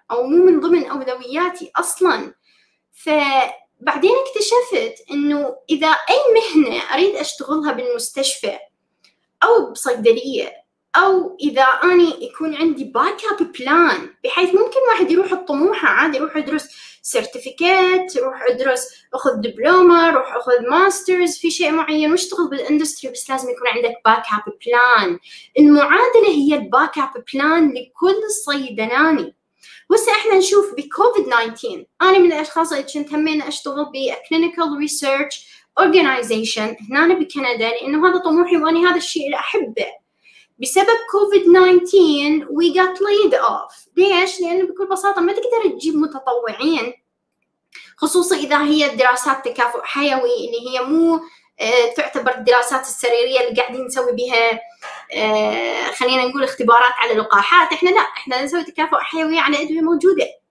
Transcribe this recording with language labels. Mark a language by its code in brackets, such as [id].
[ar] أو مو من ضمن أولوياتي أصلاً. فبعدين اكتشفت إنه إذا أي مهنة أريد أشتغلها بالمستشفى أو بصيدلية، أو إذا أنا يكون عندي باك أب بلان، بحيث ممكن واحد يروح الطموحة عادي، يروح يدرس سيرتيفيكات، يروح يدرس أخذ دبلومة، يروح أخذ ماسترز في شيء معين واشتغل بالإندستري، بس لازم يكون عندك باك أب بلان. المعادلة هي الباك أب بلان لكل صيدلاني. وهسه احنا نشوف بكوفيد 19، أنا من الأشخاص اللي كنت همين أشتغل بكلينيكال ريسيرش أورجنايزيشن هنا بكندا، لأنه هذا طموحي وأني هذا الشيء اللي أحبه. بسبب كوفيد 19 [en] we got laid off. [ar] ليش؟ لأنه بكل بساطة ما تقدر تجيب متطوعين، خصوصا إذا هي الدراسات تكافؤ حيوي اللي هي مو تعتبر الدراسات السريرية اللي قاعدين نسوي بها خلينا نقول اختبارات على لقاحات. إحنا لا، إحنا نسوي تكافؤ حيوي على أدوية موجودة.